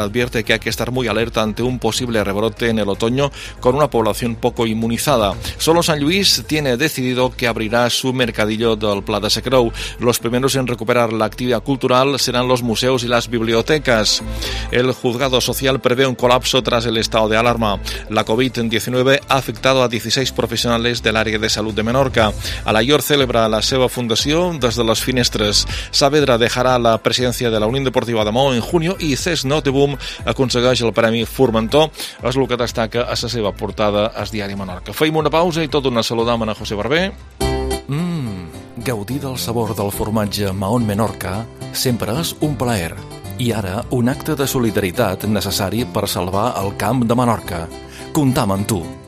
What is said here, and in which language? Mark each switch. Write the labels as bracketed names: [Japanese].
[Spanish] Advierte que hay que estar muy alerta ante un posible rebrote en el otoño con una población poco inmunizada. Solo San Luis tiene decidido que abrirá su mercadillo del Pla de Secrou. Los primeros en recuperar la actividad cultural serán los museos y las bibliotecas. El juzgado social prevé un colapso tras el estado de alarma. La COVID-19 ha afectado a 16 profesionales del área de salud de Menorca. [Catalan] Alayor celebra la seva fundació des de les finestres. [Spanish] Saavedra dejará la presidencia de la Unión Deportiva de Mahó en junio y Cesc Notebum [Catalan] aconsegueix el premi Formentor. És el que destaca a la seva portada es diari Menorca. Feim una pausa i tot una saludam a José Barbé. Gaudir del sabor del formatge Mahón Menorca sempre és un plaer. I ara, un acte de solidaritat necessari per salvar el camp de Menorca. Comptam amb tu.